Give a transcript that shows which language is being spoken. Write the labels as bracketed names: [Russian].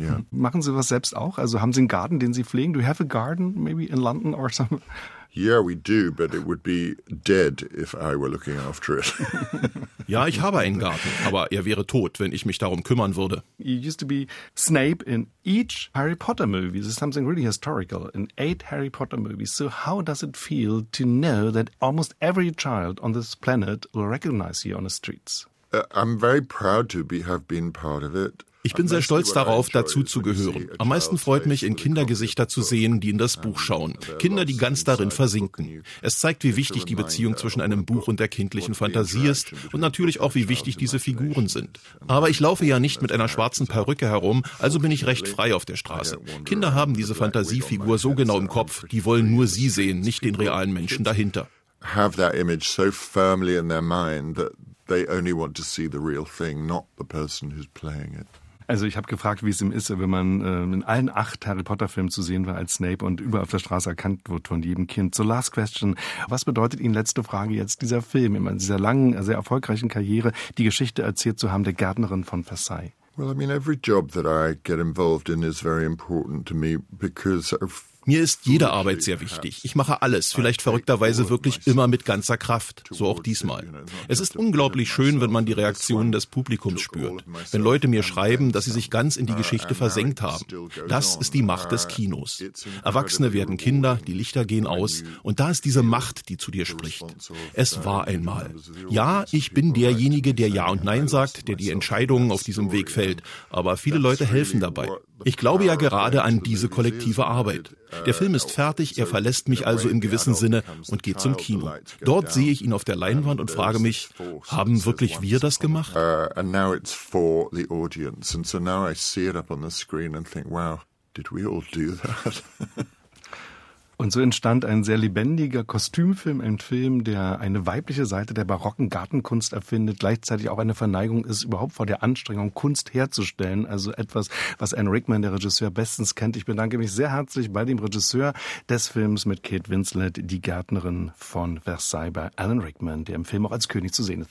[German] Machen Sie was selbst auch? Also haben Sie einen Garten, den Sie pflegen? [English] Do you have a garden maybe in London or some? Yeah, we do, but it would be dead if I were looking after it. [German] Ja, ich habe einen Garten, aber er wäre tot, wenn ich mich darum kümmern würde. [English] You used to be Snape in each Harry Potter movie. This is something really historical in 8 Harry Potter movies. So how does it feel to know that almost every child on this planet will recognize you on the streets? I'm very proud to have been part of it. [German] Ich bin sehr stolz darauf, dazuzugehören. Am meisten freut mich, in Kindergesichter zu sehen, die in das Buch schauen. Kinder, die ganz darin versinken. Es zeigt, wie wichtig die Beziehung zwischen einem Buch und der kindlichen Fantasie ist und natürlich auch, wie wichtig diese Figuren sind. Aber ich laufe ja nicht mit einer schwarzen Perücke herum, also bin ich recht frei auf der Straße. Kinder haben diese Fantasiefigur so genau im Kopf, die wollen nur sie sehen, nicht den realen Menschen dahinter. [English] Have that image so firmly in their mind that they only want to see the real thing, not the person who's playing it. [German] Also ich habe gefragt, wie es ihm ist, wenn man in allen 8 Harry Potter Filmen zu sehen war als Snape und überall auf der Straße erkannt wird von jedem Kind. [English] So last question, [German] was bedeutet Ihnen, letzte Frage jetzt, dieser Film, in dieser langen, sehr erfolgreichen Karriere, die Geschichte erzählt zu haben, der Gärtnerin von Versailles? [English] Well, I mean, every job that I get involved in is very important to me because of. [German] Mir ist jede Arbeit sehr wichtig. Ich mache alles, vielleicht verrückterweise wirklich immer mit ganzer Kraft, so auch diesmal. Es ist unglaublich schön, wenn man die Reaktionen des Publikums spürt. Wenn Leute mir schreiben, dass sie sich ganz in die Geschichte versenkt haben. Das ist die Macht des Kinos. Erwachsene werden Kinder, die Lichter gehen aus und da ist diese Macht, die zu dir spricht. Es war einmal. Ja, ich bin derjenige, der Ja und Nein sagt, der die Entscheidungen auf diesem Weg fällt, aber viele Leute helfen dabei. Ich glaube ja gerade an diese kollektive Arbeit. Der Film ist fertig, er verlässt mich also im gewissen Sinne und geht zum Kino. Dort sehe ich ihn auf der Leinwand und frage mich, haben wirklich wir das gemacht? [English] And now it's for the audience. And so now I see it up on the screen and think, wow, did we all do that? [German] Und so entstand ein sehr lebendiger Kostümfilm, ein Film, der eine weibliche Seite der barocken Gartenkunst erfindet, gleichzeitig auch eine Verneigung ist, überhaupt vor der Anstrengung, Kunst herzustellen. Also etwas, was Anne Rickman, der Regisseur, bestens kennt. Ich bedanke mich sehr herzlich bei dem Regisseur des Films mit Kate Winslet, die Gärtnerin von Versailles, bei Alan Rickman, der im Film auch als König zu sehen ist.